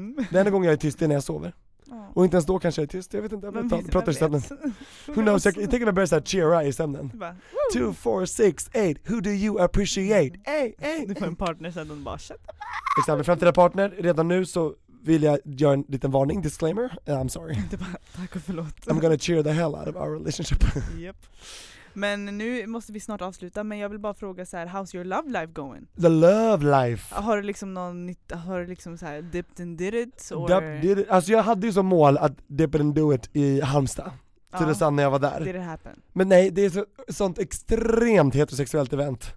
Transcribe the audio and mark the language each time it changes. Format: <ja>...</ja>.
<sv>Den enda gången jag är tyst är när jag sover. Och inte ens då kanske jag är tyst. Jag vet inte, jag pratar i sömnen.</sv> <en>Who knows?</en> <sv>Jag tänker mig börja såhär cheera i sömnen.</sv> <en>2, 4, 6, 8. Who do you appreciate?</en> <sv>Du får en partner sen och bara</sv> <en>shut up.</en> <sv>Exakt, med framtida partner. Redan nu så vill jag göra en liten varning, disclaimer.</sv> <en>I'm sorry.</en> <sv>Du bara, tack och förlåt.</sv> <en>I'm gonna cheer the hell out of our relationship. Yep.</en> <sv>Men nu måste vi snart avsluta, men jag vill bara fråga så här,</sv> <en>how's your love life going? The love life.</en> <sv>Har du liksom någon nytt, har du liksom så här</sv> <en>dipped and did it?</en> <sv>Alltså jag hade ju som mål att</sv> <en>dip and do it</en> <sv>i Halmstad. Till det sanna när jag var där.</sv> <en>Did it happen?</en> <sv>Men nej, det är ett sånt extremt heterosexuellt event.</sv>